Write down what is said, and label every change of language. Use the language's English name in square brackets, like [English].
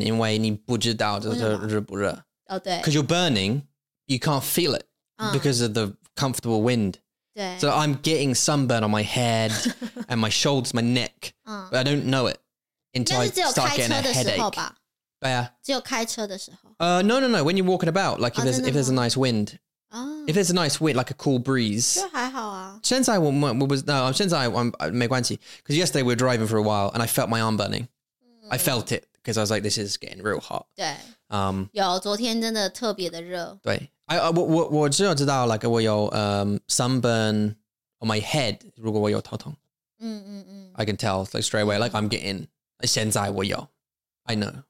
[Chinese] 对，是有很热，但是也有风。就是为什么是很危险，因为你不知道这个热不热。哦，对。 [English] Because you're burning, you can't feel it because of the comfortable wind. [Chinese] 对。 [English] So I'm getting sunburn on my head and my shoulders, my neck, but I don't know it until I start getting a headache. [Chinese] 对啊。只有开车的时候。No, [English] no, no. When you're walking about, like if there's a nice wind. If there's a nice wind, like a cool breeze. [Chinese] 就还好啊。现在我没关系。 [English] Because yesterday we were driving for a while and I felt my arm burning. I felt it because I was like, this is getting real hot. [Chinese] 对。有,昨天真的特别的热。对。我只有知道, like, 我有 [English] sunburn on my head, [Chinese] 如果我有头痛。 [English] I can tell, like, straight away, like, I'm getting, [Chinese] 现在我有, [English] I know.